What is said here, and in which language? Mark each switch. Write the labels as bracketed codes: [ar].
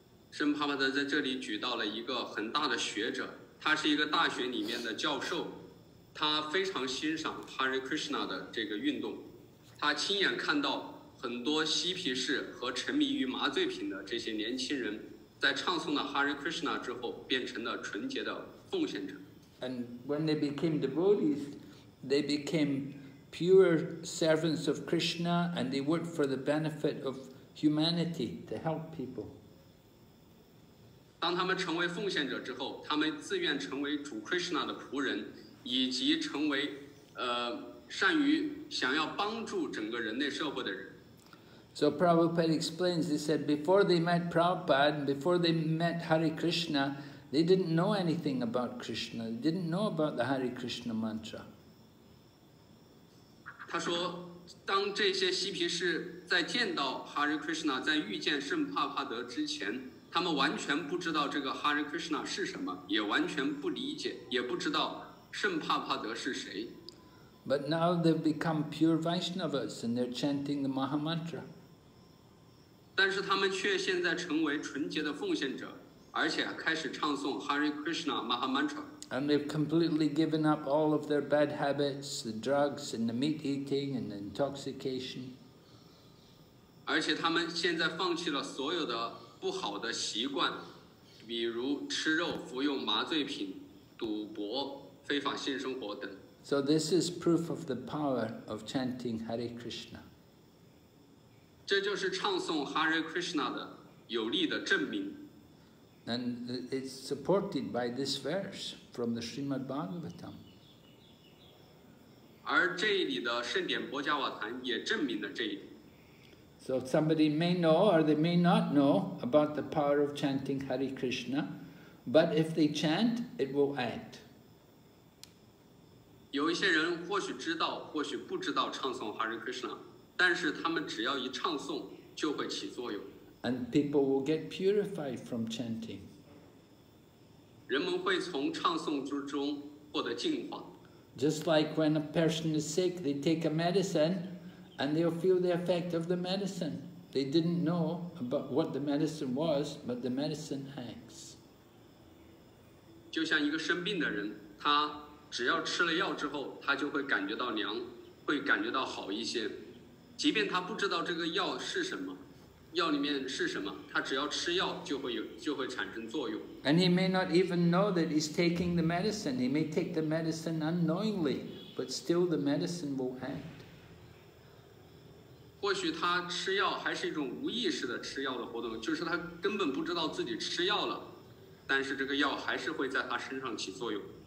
[zh] 圣帕帕德在这里举到了一个很大的学者，他是一个大学里面的教授。他非常欣赏 Hare Krishna 的这个运动，他亲眼看到很多嬉皮士和沉迷于麻醉品的这些年轻人，在唱诵了 Hare Krishna 之后，变成了纯洁的奉献者。 [en] And when they became devotees, they became pure servants of Krishna, and they worked for the benefit of humanity to help people. [zh] 当他们成为奉献者之后，他们自愿成为主 Krishna 的仆人。以及成为善于想要帮助整个人类社会的人。 [en] So Prabhupada explains, he said, before they met Prabhupada, before they met Hare Krishna, they didn't know anything about Krishna, they didn't know about the Hare Krishna mantra. [zh] 他说，当这些嬉皮士在见到 Hare Krishna, 在遇见圣帕帕德之前，他们完全不知道这个 Hare Krishna 是什么，也完全不理解，也不知道圣帕帕德是谁。 [en] But now they've become pure Vaishnavas and they're chanting the Maha Mantra. [zh] 但是他们却现在成为纯洁的奉献者，而且开始唱诵 Hare Krishna Maha Mantra. [en] And they've completely given up all of their bad habits, the drugs and the meat eating and the intoxication. [zh] 而且他们现在放弃了所有的不好的习惯，比如吃肉、服用麻醉品、赌博、非法性生活等。 [en] So this is proof of the power of chanting Hare Krishna. [zh] 这就是唱诵 Hare Krishna 的有力的证明。 [en] And it's supported by this verse from the Srimad Bhagavatam. [zh] 而这里的圣典波迦瓦坛也证明了这一点。 [en] So somebody may know or they may not know about the power of chanting Hare Krishna, but if they chant, it will act. [zh] 有一些人或许知道或许不知道唱诵 Hare Krishna, 但是他们只要一唱诵就会起作用。 [en] And people will get purified from chanting. [zh] 人们会从唱诵之中获得净化。 [en] Just like when a person is sick, they take a medicine and they'll feel the effect of the medicine. They didn't know about what the medicine was, but the medicine acts. [zh] 就像一个生病的人，他只要吃了药之后，他就会感觉到凉，会感觉到好一些。即便他不知道这个药是什么，药里面是什么，他只要吃药就会产生作用。 [en] And he may not even know that he's taking the medicine. He may take the medicine unknowingly, but still the medicine will act. [zh] 或许他吃药还是一种无意识的吃药的活动，就是他根本不知道自己吃药了，但是这个药还是会在他身上起作用。